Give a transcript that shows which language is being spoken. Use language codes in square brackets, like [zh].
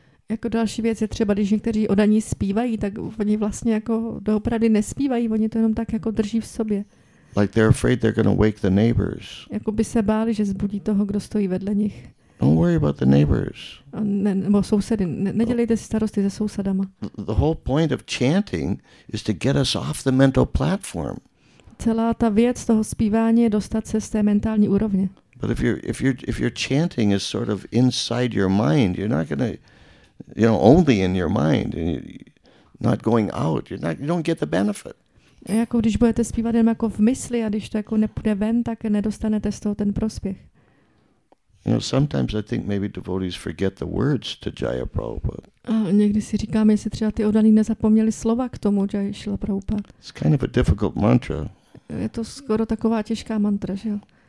[cs] Jako další věc je třeba, když někteří odaní zpívají, tak oni vlastně jako doopravdy nespívají. Oni to jenom tak jako drží v sobě. [en] Like they're afraid they're going to wake the neighbors. [cs] Jako by se báli, že zbudí toho, kdo stojí vedle nich. [en] Don't worry about the neighbors. [cs] Nebo sousedy. Nedělejte si starosti se sousedama. [en] The whole point of chanting is to get us off the mental platform. [cs] Celá ta věc toho zpívání je dostat se z té mentální úrovně. [en] But if your chanting is sort of inside your mind, you're not going to, you know, only in your mind and not going out. You don't get the benefit. [cs] Jako když budete zpívat jen jako v mysli a když to jako nepůjde ven, tak nedostanete z toho ten prospěch. [en] You know, sometimes I think maybe devotees forget the words to Jaya Prabhupada. [cs] Někdy si říkám, jestli třeba ty odaní nezapomněli slova k tomu Jaya Srila Prabhupada. [en] It's kind of a difficult mantra. [cs] Je to skoro taková těžká mantra, že jo?